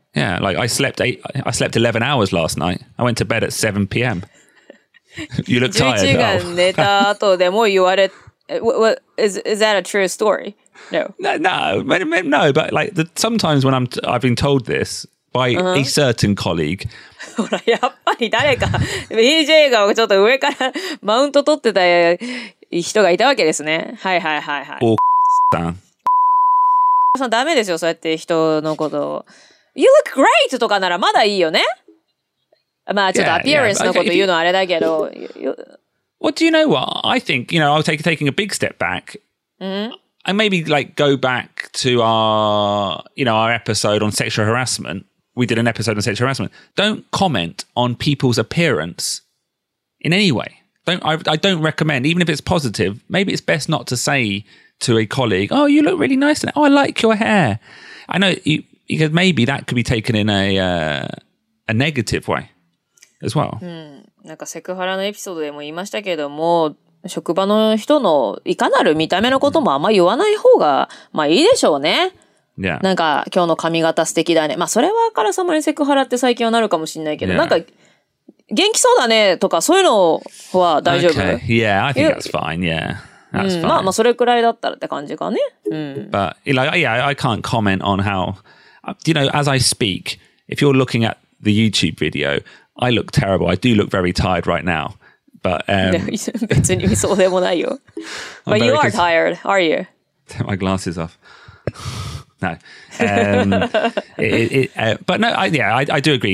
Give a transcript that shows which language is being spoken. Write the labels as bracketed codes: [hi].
[en] Yeah, like I slept 11 hours last night. I went to bed at 7 p.m. You look tired. [ja] 11時間寝た後でも言われ、 [en] is that a true story? No. No, but like sometimes when I've been told this by a certain colleague. [ja] ほらやっぱり誰か BJ がちょっと上からマウント取ってた人がいたわけですね。はいはいはいはい。おさん。さんダメですよ。そうやって人のことを。 [en] You look great [ja] とかならまだいいよね。まあちょっとアピアレンスのこと言うのはあれだけど。 [en] Well, do you know what? I think, you know, I'll take taking a big step back. Mm-hmm. And maybe like go back to our, you know, our episode on sexual harassment. We did an episode on sexual harassment. Don't comment on people's appearance in any way. I don't recommend, even if it's positive, maybe it's best not to say to a colleague, oh, you look really nice tonight. Oh, I like your hair. I know, because maybe that could be taken in a negative way. As well. [ja] うん、なんかセクハラのエピソードでも言いましたけども、職場の人のいかなる見た目のこともあんま言わない方が、まあいいでしょうね。 [en] Yeah. [ja] なんか今日の髪型素敵だね。まあそれはあからさまにセクハラって最近はなるかもしれないけど、なんか元気そうだねとかそういうのは大丈夫。 [en] Okay. Yeah, I think that's fine. Yeah. That's fine.、 [ja] うん、まあまあそれくらいだったらって感じかね。うん、 [en] But, like, yeah, I can't comment on how, you know, as I speak, if you're looking at the YouTube video,I look terrible. I do look very tired right now. But, [ja] 別にそうでもないよ。 [en] But you are tired, are you? Take my glasses off. No. I do agree.